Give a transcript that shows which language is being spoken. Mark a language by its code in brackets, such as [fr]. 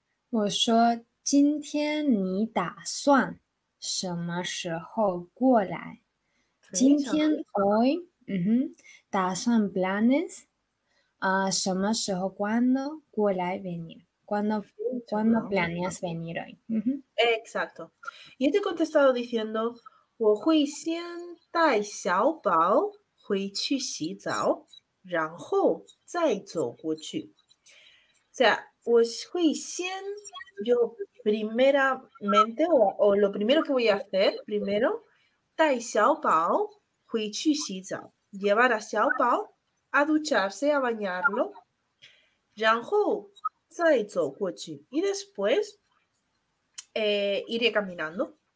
[zh] 我说今天你打算什么时候过来？今天 hoy， 打算 planes。什么时候 cuando 过来 venir? [es] ¿Cuándo planeas venir hoy? Exacto. Y te he contestado diciendo, [zh] 我会先带小宝回去洗澡，然后再走过去。 [es] O sea, [zh] 我会先 [es] yo primeramente, o lo primero que voy a hacer, primero, [zh] 带小宝回去洗澡， [es] llevar a 小宝a ducharse, a bañarlo, [zh] 然后再走过去, [es] y después, iré caminando.